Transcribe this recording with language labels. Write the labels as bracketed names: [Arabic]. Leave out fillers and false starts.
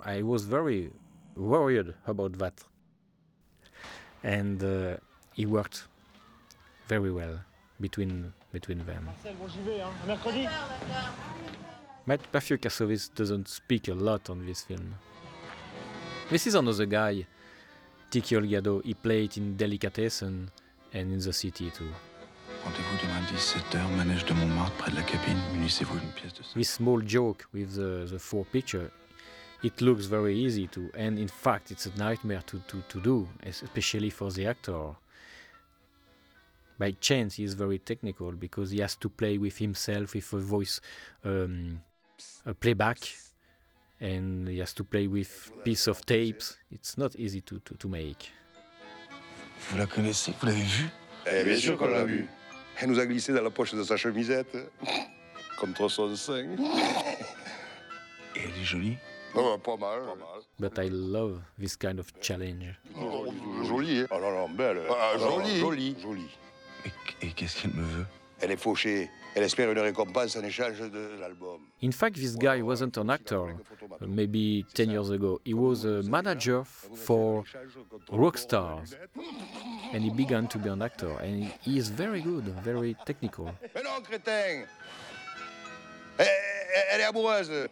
[English] I was very worried about that. And he worked very well between them. Matthew Kassovitz doesn't speak a lot on this film. This is another guy. Tiki Olgado, he played in Delicatessen and in the city too. [French] Rendez-vous demain 17h, manège de Montmartre, près de la cabine, munissez-vous d'une pièce de ça. [English] This small joke with the four picture, it looks very easy to, and in fact it's a nightmare to do, especially for the actor. By chance he is very technical because he has to play with himself with a voice, a playback. And he has to play with piece of tapes. It's not easy to make. [French] Vous la connaissez? Vous l'avez vue? Eh bien sûr qu'on l'a vue. Elle nous a glissé dans la poche de sa chemisette, comme trop son sein. Et elle est jolie? Oh, pas mal. [English] But I love this kind of challenge. [French] Jolie, hein? Oh non, belle. Jolie. Et qu'est-ce qu'elle me veut? Elle est fauchée. Elle espère une récompense en échange de l'album. [English] In fact, this guy wasn't an actor, maybe 10 years ago. He was a manager for rock stars. And he began to be an actor. And he is very good, very technical. [French] Mais non, crétin! Elle est amoureuse!